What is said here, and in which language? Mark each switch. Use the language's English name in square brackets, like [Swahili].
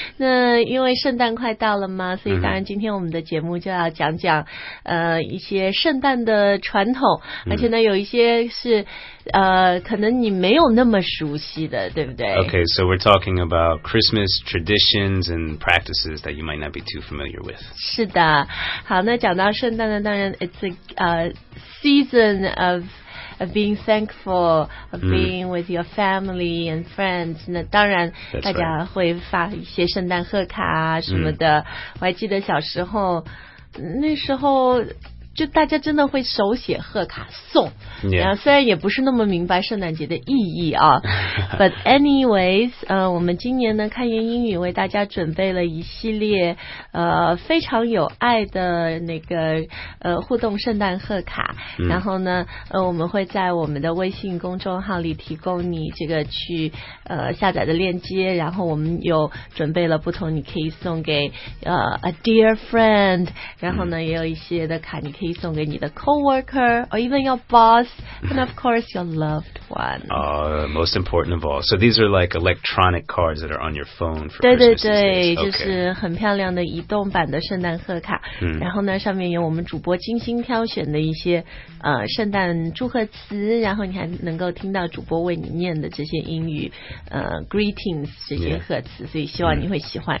[Chinese] 那因为圣诞快到了嘛，所以当然今天我们的节目就要讲讲、mm-hmm. 一些圣诞的传统，而且呢有一些是可能你没有那么熟悉的，对不对？ [English] Okay, so we're talking about Christmas traditions and practices that you might not be too familiar with. [Chinese] 是的，好，那讲到圣诞呢，当然 [English] it's a season of. Of being thankful, of being with your family and friends. [Chinese] 那当然大家会发一些圣诞贺卡啊什么的。我还记得小时候那时候就大家真的会手写贺卡送。 [English] Yeah. [Chinese] 虽然也不是那么明白圣诞节的意义啊。 [English] But anyways, [Chinese] 我们今年呢看言英语为大家准备了一系列非常有爱的那个互动圣诞贺卡。然后呢我们会在我们的微信公众号里提供你这个去下载的链接，然后我们有准备了不同你可以送给 [English] a dear friend, [Chinese] 然后呢也有一些的卡你可以送给你的 coworker, [English] or even your boss, and of course your loved one. Most important of all. So these are like electronic cards that are on your phone for [Chinese] 对对对对对对，就是很漂亮的移动版的圣诞贺卡。然后呢，上面有我们主播精心挑选的一些圣诞祝贺词，然后你还能够听到主播为你念的这些英语greetings 这些贺词， [English] yeah. [Chinese] 所以希望你会喜欢。